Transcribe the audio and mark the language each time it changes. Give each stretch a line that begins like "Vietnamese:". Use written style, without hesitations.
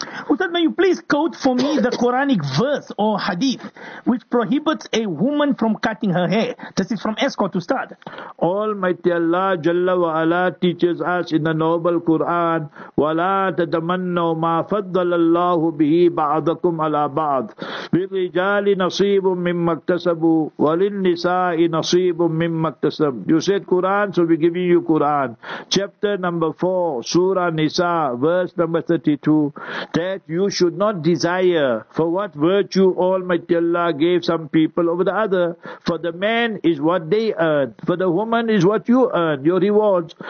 English: Ustad, may you please quote for me the Quranic verse or hadith which prohibits a woman from cutting her hair? This is from Escort to start. Almighty Allah Jalla wa Ala teaches us in the noble Quran,
Arabic: وَلَا تَتَمَنَّوْ مَا فَضَّلَ اللَّهُ بِهِ بَعْضَكُمْ على بعض. للرجال نصيب مما اكتسبوا وللنساء نصيب مما اكتسب.
English: You said Quran, so we're giving you Quran. Chapter number 4, Surah Nisa, verse number 32, that you should not desire for what virtue Almighty Allah gave some people over the other. For the man is what they earn. For the woman is what you earn, your rewards.